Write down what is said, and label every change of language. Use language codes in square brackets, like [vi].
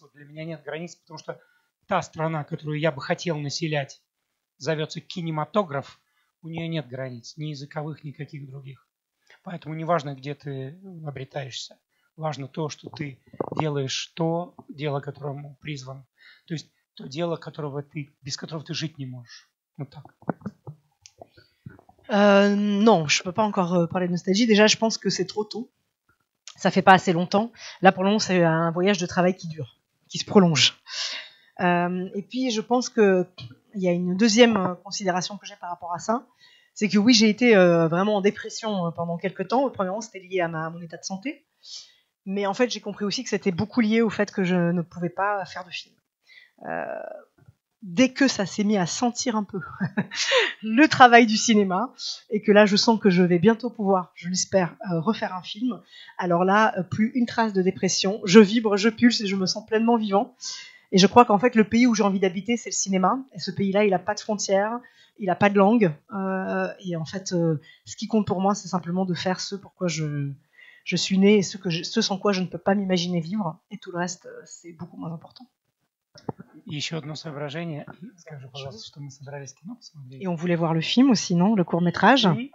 [ru] Вот для меня нет границ, потому что та страна, которую я бы хотел населять, зовется кинематограф, у нее нет границ, ни языковых, никаких других. Поэтому неважно, где ты обретаешься. Важно то, что ты делаешь то дело, которому призван. То есть то дело, которого ты, без которого ты жить не можешь. [fr] Non, je ne peux pas encore parler de nostalgie. Déjà, je pense que c'est trop tôt. Ça ne fait pas assez longtemps. Là, pour le moment, c'est un voyage de travail qui dure, qui se prolonge. Et puis, je pense qu'il y a une deuxième considération que j'ai par rapport à ça. C'est que oui, j'ai été vraiment en dépression pendant quelques temps. Premièrement, c'était lié à mon état de santé. Mais en fait, j'ai compris aussi que c'était beaucoup lié au fait que je ne pouvais pas faire de film. Dès que ça s'est mis à sentir un peu le travail du cinéma et que là je sens que je vais bientôt pouvoir, je l'espère, refaire un film, alors là, plus une trace de dépression, je vibre, je pulse et je me sens pleinement vivant. Et je crois qu'en fait, le pays où j'ai envie d'habiter, c'est le cinéma. Et ce pays-là, il n'a pas de frontières, il n'a pas de langue. Et en fait, ce qui compte pour moi, c'est simplement de faire ce pour quoi je suis né et ce sans quoi je ne peux pas m'imaginer vivre. Et tout le reste, c'est beaucoup moins important. [ru] Еще одно соображение. Скажи, пожалуйста, что мы собирались кино посмотреть. И он [fr] voulait voir le film aussi, non, le court-métrage.